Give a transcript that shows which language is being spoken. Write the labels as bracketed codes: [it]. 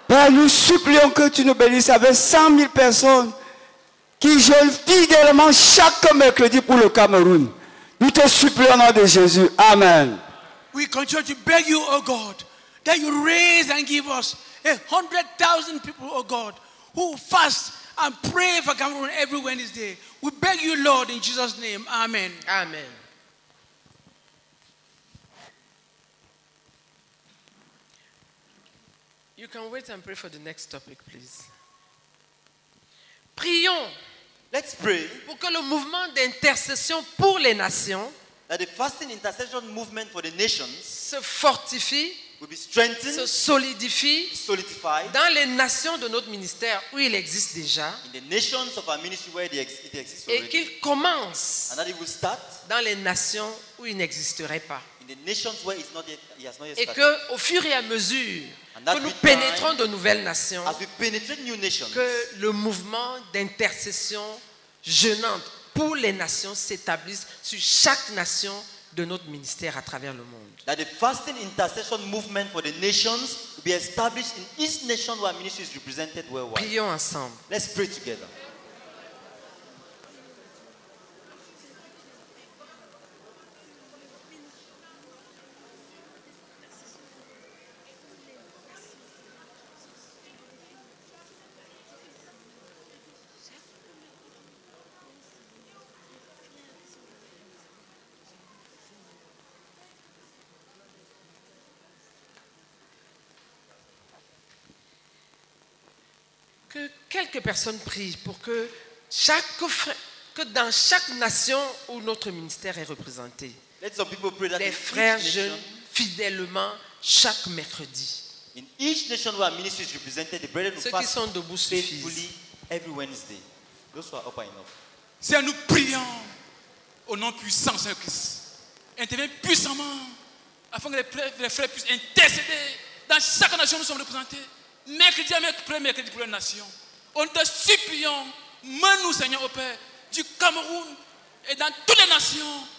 [fr] Nous supplions que tu nous bénisses avec 100 000 personnes qui jeûnent fidèlement chaque mercredi pour le Cameroun. Nous te supplions au nom de Jésus. Amen. [en] We continue to beg you, oh God, that you raise and give us 100,000 people, oh God, who fast and pray for Cameroon every Wednesday. We beg you, Lord, in Jesus' name. Amen. Amen. You can wait and pray for the next topic, please. [fr] Prions. [en] Let's pray. [fr] Pour que le mouvement d'intercession pour les nations, [en] that the fasting intercession movement for the nations, [fr] se fortifie, [en] will be strengthened, [fr] se solidifie, [en] solidified, [fr] dans les nations de notre ministère où il existe déjà, [en] in the nations of our ministry where it exists already, [fr] et qu'il commence, [en] and that it will start, [fr] dans les nations où il n'existerait pas, [en] in the nations where it's not yet, it has not yet started, [fr] et que au fur et à mesure que nous pénétrons de nouvelles nations, [en] as we penetrate new nations, [fr] que le mouvement d'intercession jeûnante pour les nations s'établisse sur chaque nation de notre ministère à travers le monde. [en] That the fasting intercession movement for the nations will be established in each nation where ministry is represented worldwide. [fr] Prions ensemble. [en] Let's pray together. [fr] Que quelques personnes prient pour que chaque frère, que dans chaque nation où notre ministère est représenté, [en] let some people pray that [fr] les frères jeûnent fidèlement chaque mercredi. [en] In each nation where ministry is represented, the brethren [fr] ceux qui sont debout suffisent. [en] Every Wednesday, those who are up are enough. [fr] Seigneur, nous prions au nom puissant de Christ. Intervenez puissamment afin que les frères puissent intercéder dans chaque nation où nous sommes représentés. Mercredi, mercredi pour les nations. On te supplions, mène-nous, Seigneur, au Père, du Cameroun et dans toutes les nations.